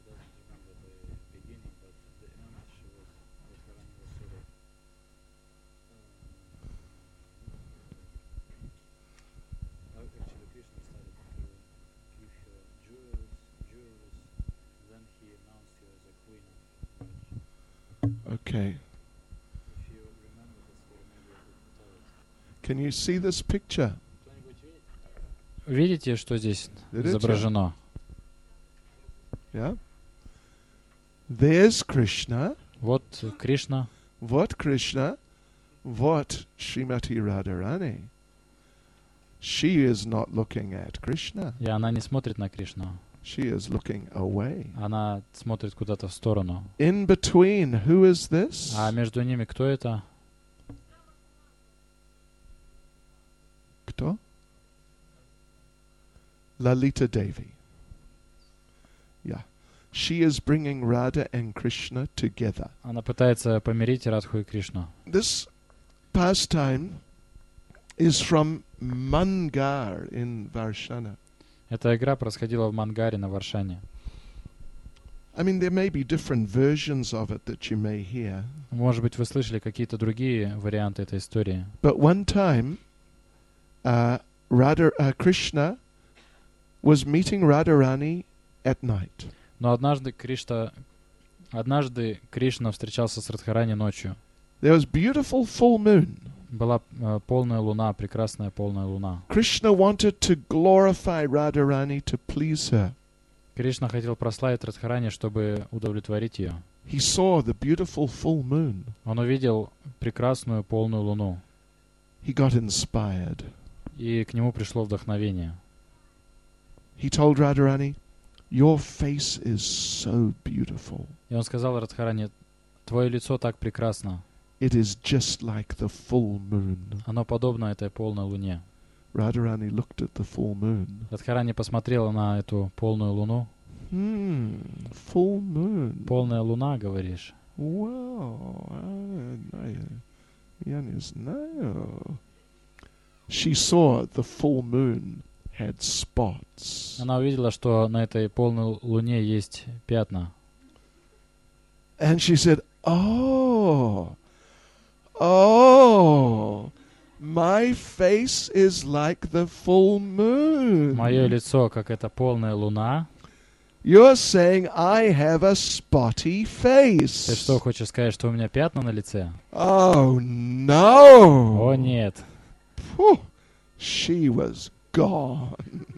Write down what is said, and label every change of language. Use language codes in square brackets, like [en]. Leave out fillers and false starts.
[en] He doesn't remember the beginning, but the end she was referring to sort of actually Krishna started to give her jewels, then he announced her as a queen of Raj. Okay. If you remember the story, maybe I could tell it. Can you see this picture? [ru] Видите, что здесь изображено? [en] Yeah. There's Krishna. [ru] Вот Кришна. Вот Кришна. Вот Шримати Радхарани. [en] She is not looking at Krishna. [ru] И она не смотрит на Кришну. [en] She is looking away. [ru] Она смотрит куда-то в сторону. [en] In between, who is this? [ru] А между ними кто это? Кто? [en] Lalita Devi. Yeah. She is bringing Radha and Krishna together. [ru] Она пытается помирить Радху и Кришну. [en] This pastime is from Mangar in Varshana. [ru] Эта игра происходила в Мангаре на Варшане. [en] I mean, there may be different versions of it that you may hear. [ru] Может быть, вы слышали какие-то другие варианты этой истории. [en] But one time, Krishna was meeting Radharani at night. [ru] Но однажды Кришна встречался с Радхарани ночью. [en] There was beautiful full moon. [ru] Была полная луна, прекрасная полная луна. [en] Krishna wanted to glorify Radharani to please her. [ru] Кришна хотел прославить Радхарани, чтобы удовлетворить ее. [en] He saw the beautiful full moon. [ru] Он увидел прекрасную полную луну. [en] He got inspired. [ru] И к нему пришло вдохновение. [en] He told Radharani, "Your face is so beautiful." [ru] И он сказал Радхарани, "Твое лицо так прекрасно." [en] It is just like the full moon. [ru] Оно подобно этой полной луне. [en] Radharani looked at the full moon. [ru] Радхарани посмотрела на эту полную луну. [en] Full moon. [ru] Полная луна, говоришь? Wow. Я не знаю. [en] She saw the full moon had spots. [ru] Она увидела, что на этой полной луне есть пятна. [en] And she said, Oh, my face is like the full moon. [ru] Мое лицо как эта полная луна. [en] You're saying I have a spotty face. [ru] Ты что хочешь сказать, что у меня пятна на лице? [en] Oh no. [ru] О нет. [en] Phew, she was gone.